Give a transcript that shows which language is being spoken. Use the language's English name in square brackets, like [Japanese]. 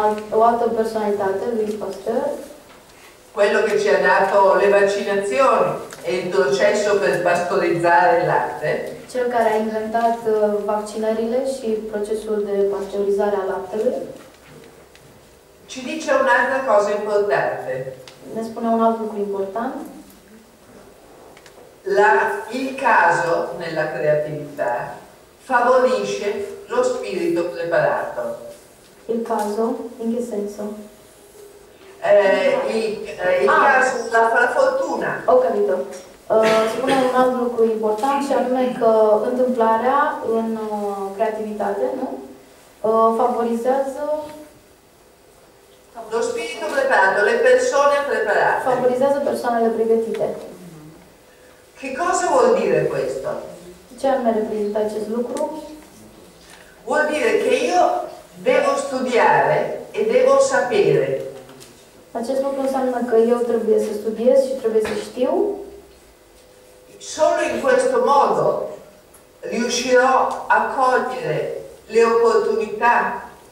[Romanian] o altă personalitate, Louis Pasteur, [Italian] quello che ci ha dato le vaccinazioni e il processo per pastorizzare il latte, [Romanian] cel care a inventat vaccinările și procesul de pastorizare a lattelui, [Italian] ci dice un'altra cosa importante. [Romanian] Ne spune [Italian] un altro più importante. Il caso nella creatività favorisce lo spirito preparato. Il caso? In che senso? La fortuna. Ho capito. [Romanian] Spune un altro lucru important, și anume că întâmplarea în creativitate, nu? Favorizează [Italian] lo spirito preparato, le persone preparate. [Romanian] Favorizează persoanele pregătite. [Italian] Che cosa vuol dire questo? [Romanian] Ce anume reprezintă acest lucru? [Italian] Vuol dire che io devo studiare e devo sapere. [Romanian] Acest lucru înseamnă că eu trebuie să studiez și trebuie să știu. [Italian] Solo in questo modo riuscirò a cogliere le opportunità.